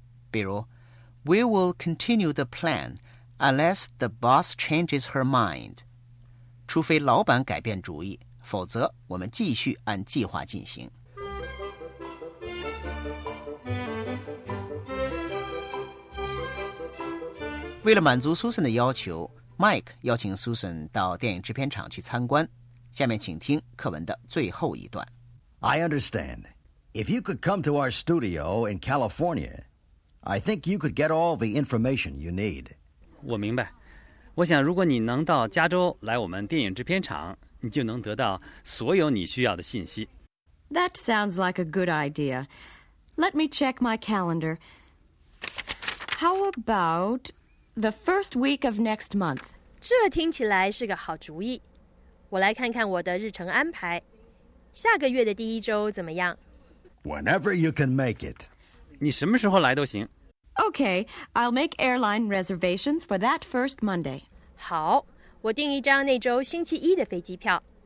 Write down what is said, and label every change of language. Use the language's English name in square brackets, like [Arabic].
[Chinese] 比如 [English] We will continue the plan unless the boss changes her mind， [Chinese] 除非老板改变主意，否则我们继续按计划进行。为了满足 Susan 的要求， Mike 邀请 Susan 到电影制片厂去参观。下面请听课文的最后一段。 [English] I understand. If you could come to our studio in California, I think you could get all the information you need. [Chinese] 我明白，我想如果你能到加州来我们电影制片厂，你就能得到所有你需要的信息。 [English] That sounds like a good idea. Let me check my calendar. How aboutThe first week of next month. [Chinese] 这听起来是个好主意。我来看看我的日程安排。下个月的第一周怎么样？ [English] Whenever you can make it. [Chinese] 你什么时候来都行。 [English] Okay, I'll make airline reservations for that first Monday. [Chinese] 好，我订一张那周星期一的飞机票。